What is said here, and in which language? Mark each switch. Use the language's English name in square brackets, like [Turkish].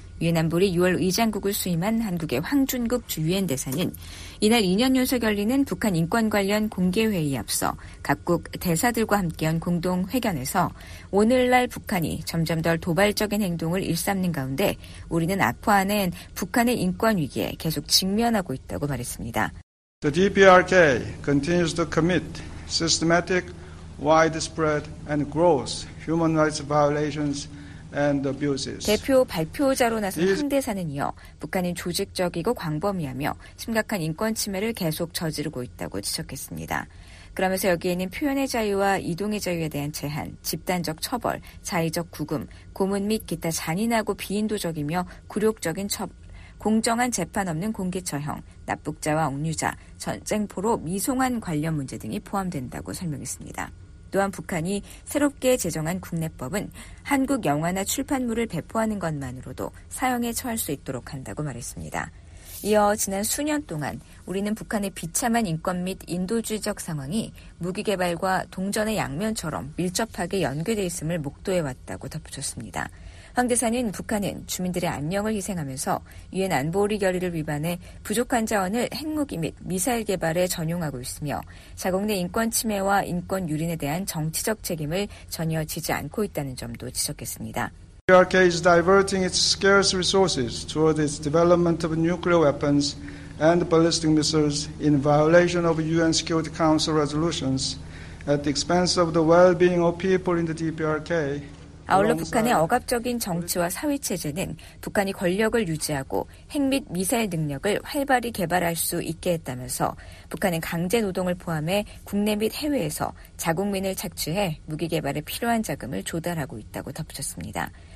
[Korean] 유엔 안보리 6월 의장국을 수임한 한국의 황준국 주 유엔 대사는 이날 2년 연속 열리는 북한 인권 관련 공개회의에 앞서 각국 대사들과 함께한 공동 회견에서 오늘날 북한이 점점 덜 도발적인 행동을 일삼는 가운데 우리는 악화하는 북한의 인권 위기에 계속 직면하고 있다고 말했습니다. [English] The DPRK continues to commit systematic, widespread and gross human rights violations. [Korean] 대표 발표자로 나선 황 대사는 이어 북한은 조직적이고 광범위하며 심각한 인권 침해를 계속 저지르고 있다고 지적했습니다. 그러면서 여기에는 표현의 자유와 이동의 자유에 대한 제한, 집단적 처벌, 자의적 구금, 고문 및 기타 잔인하고 비인도적이며 굴욕적인 처벌, 공정한 재판 없는 공개 처형, 납북자와 억류자, 전쟁 포로, 미송환 관련 문제 등이 포함된다고 설명했습니다. 또한 북한이 새롭게 제정한 국내법은 한국 영화나 출판물을 배포하는 것만으로도 사형에 처할 수 있도록 한다고 말했습니다. 이어 지난 수년 동안 우리는 북한의 비참한 인권 및 인도주의적 상황이 무기 개발과 동전의 양면처럼 밀접하게 연계돼 있음을 목도해왔다고 덧붙였습니다. 황 대사는 북한은 주민들의 안녕을 희생하면서 유엔 안보리 결의를 위반해 부족한 자원을 핵무기 및 미사일 개발에 전용하고 있으며 자국 내 인권 침해와 인권 유린에 대한 정치적 책임을 전혀 지지 않고 있다는 점도 지적했습니다. [English] PRK is diverting its scarce resources toward its development of nuclear weapons and ballistic missiles in violation of UN Security Council resolutions at the expense of the well-being of people in the DPRK. [Korean] 아울러 북한의 억압적인 정치와 사회체제는 북한이 권력을 유지하고 핵 및 미사일 능력을 활발히 개발할 수 있게 했다면서 북한은 강제 노동을 포함해 국내 및 해외에서 자국민을 착취해 무기 개발에 필요한 자금을 조달하고 있다고 덧붙였습니다.